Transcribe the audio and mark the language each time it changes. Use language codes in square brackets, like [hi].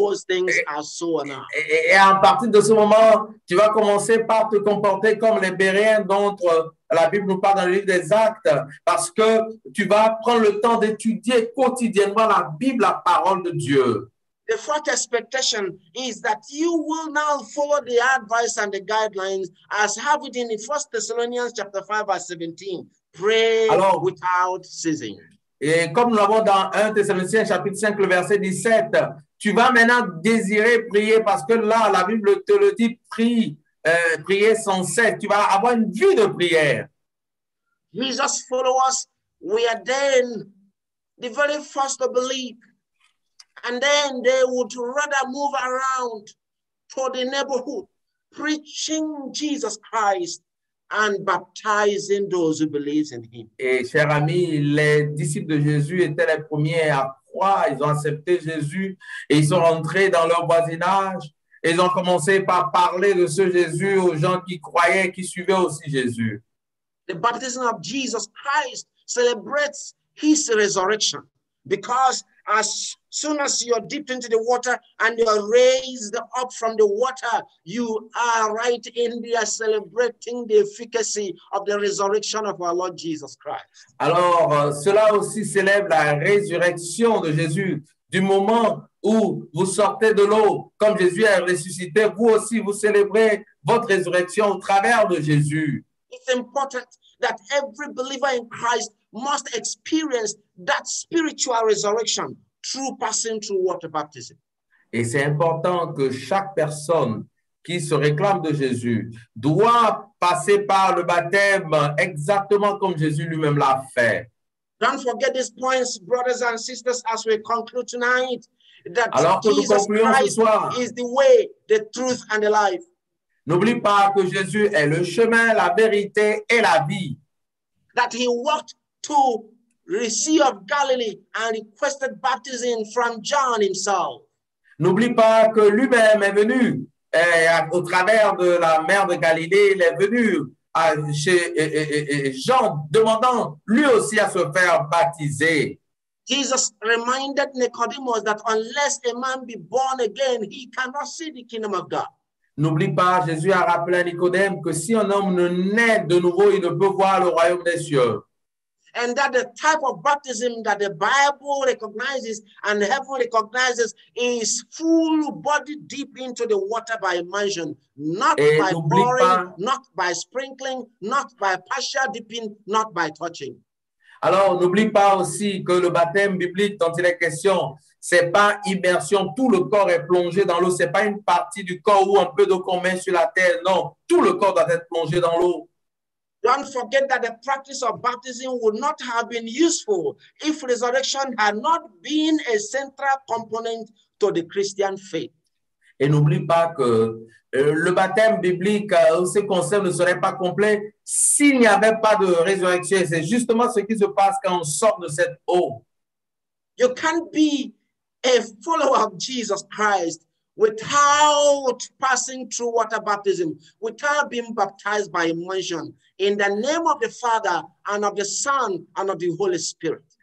[fr] Et à partir de ce moment, tu vas commencer par te comporter comme les Béréens dont la Bible nous parle dans le livre des Actes, parce que tu vas prendre le temps d'étudier quotidiennement la Bible, la parole de Dieu. [en] The fourth expectation is that you will now follow the advice and the guidelines as have it in 1 Thessalonians chapter 5 verse 17. Pray without ceasing. [fr] Et comme nous l'avons dans 1 Thessaloniciens chapitre 5, le verset 17, tu vas maintenant désirer prier parce que là, la Bible te le dit, prier sans cesse. Tu vas avoir une vie de prière. [en] Jesus follow us. We are then the very first to believe. And then they would rather move around to the neighborhood preaching Jesus Christ and baptizing those who believe in him. [fr] Et chers amis, les disciples de Jésus étaient les premiers à croire. Ils ont accepté Jésus et ils sont rentrés dans leur voisinage. Ils ont commencé par parler de ce Jésus aux gens qui croyaient, qui suivaient aussi Jésus. [en] The baptism of Jesus Christ celebrates his resurrection, because as soon as you are dipped into the water and you are raised up from the water, you are right in there celebrating the efficacy of the resurrection of our Lord Jesus Christ. [fr] Alors, cela aussi célèbre la résurrection de Jésus. Du moment où vous sortez de l'eau, comme Jésus est ressuscité, vous aussi vous célébrez votre résurrection au travers de Jésus. [en] It's important that every believer in Christ must experience that spiritual resurrection through passing through water baptism. [fr] Et c'est important que chaque personne qui se réclame de Jésus doit passer par le baptême exactement comme Jésus lui-même l'a fait. [en] Don't forget these points, brothers and sisters, as we conclude tonight, that [fr] alors que [en] Jesus [fr] nous concluons [en] Christ [fr] ce soir, [en] is the way, the truth, and the life. [fr] N'oublie pas que Jésus est le chemin, la vérité et la vie. [en] That he walked to the Sea of Galilee and requested baptism from John himself. [fr] N'oublie pas que lui-même est venu au travers de la mer de Galilée, il est venu chez Jean demandant lui aussi à se faire baptiser. [en] Jesus reminded Nicodemus that unless a man be born again, he cannot see the kingdom of God. [fr] N'oublie pas, Jésus a rappelé à Nicodème que si un homme ne naît de nouveau, il ne peut voir le royaume des cieux. [en] And that the type of baptism that the Bible recognizes and heaven recognizes is full body deep into the water by immersion, not by pouring, not by sprinkling, not by partial dipping, not by touching. [fr] Alors, n'oublie pas aussi que le baptême biblique dont il est question, ce n'est pas immersion, tout le corps est plongé dans l'eau. Ce n'est pas une partie du corps ou un peu de commun sur la terre. Non, tout le corps doit être plongé dans l'eau. [en] Don't forget that the practice of baptism would not have been useful if resurrection had not been a central component to the Christian faith. [fr] Et n'oublie pas que le baptême biblique, ce concept ne serait pas complet s'il n'y avait pas de résurrection. C'est justement ce qui se passe quand on sort de cette eau. [en] You can't be a follower of Jesus Christ without passing through water baptism, without being baptized by immersion, in the name of the Father and of the Son and of the Holy Spirit.